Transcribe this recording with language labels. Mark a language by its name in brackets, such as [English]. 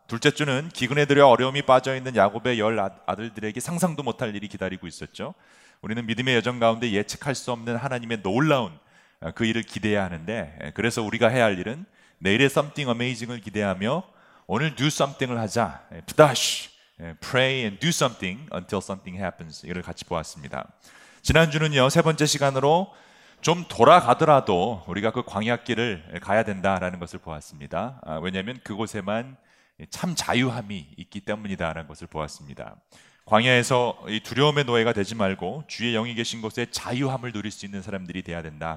[Korean] 둘째 주는 기근에 들여 어려움이 빠져있는 야곱의 열 아들들에게 상상도 못할 일이 기다리고 있었죠. 우리는 믿음의 여정 가운데 예측할 수 없는 하나님의 놀라운 그 일을 기대해야 하는데 그래서 우리가 해야 할 일은 내일의 [English] something amazing [Korean] 을 기대하며 오늘 [English] do something [Korean] 을 하자. [English] Pray and do something until something happens. [Korean] 이를 같이 보았습니다. 지난주는요, 세 번째 시간으로 좀 돌아가더라도 우리가 그 광야길을 가야 된다라는 것을 보았습니다. 왜냐하면 그곳에만 참 자유함이 있기 때문이다라는 것을 보았습니다. 광야에서 이 두려움의 노예가 되지 말고 주의 영이 계신 곳에 자유함을 누릴 수 있는 사람들이 돼야 된다.